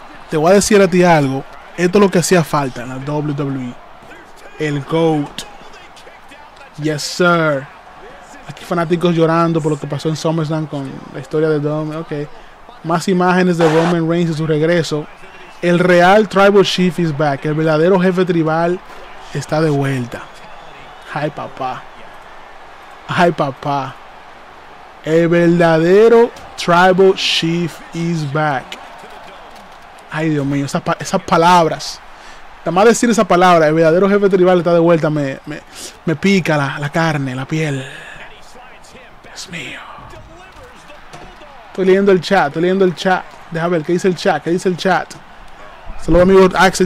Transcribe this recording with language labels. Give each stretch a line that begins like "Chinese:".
Spanish: Te voy a decir a ti algo. Esto es lo que hacía falta en la WWE. El GOAT.
English: Yes, sir.
Spanish: Aquí fanáticos llorando por lo que pasó en SummerSlam con la historia de Dom. Ok. Más imágenes de Roman Reigns y su regreso.
English: El real Tribal Chief is back.
Spanish: El verdadero jefe tribal está de vuelta. Ay, papá. Ay, papá. El verdadero Tribal Chief
English: is back.
Spanish: Ay, Dios mío. Esas palabras. Nada más decir esa palabra. El verdadero jefe tribal está de vuelta. Me pica la carne, la piel. Dios mío. Estoy leyendo el chat. Deja ver, ¿qué dice el chat? Saludos, amigo Axel.